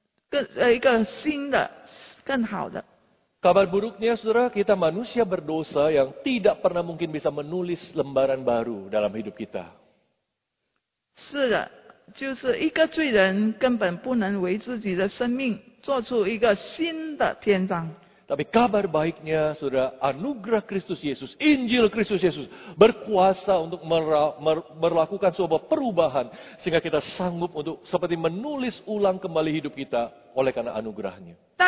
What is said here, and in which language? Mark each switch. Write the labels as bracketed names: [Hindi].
[Chinese] 诺贝尔对他这里的意思是说，一个人应该是有机会可以在醒悟到他自己一切所做的不好的事情后，再重新为他的生命编写另外一个更新的更好的。 [Indonesian] Kabar buruknya, saudara, kita manusia berdosa yang tidak pernah mungkin bisa menulis lembaran baru dalam hidup kita. [Chinese] 是的。就是一个罪人根本不能为自己的生命做出一个新的篇章。 [Indonesian] Tapi kabar baiknya, saudara, anugerah Kristus Yesus, Injil Kristus Yesus berkuasa untuk melakukan sebuah perubahan sehingga kita sanggup untuk seperti menulis ulang kembali hidup kita oleh karena anugerahnya.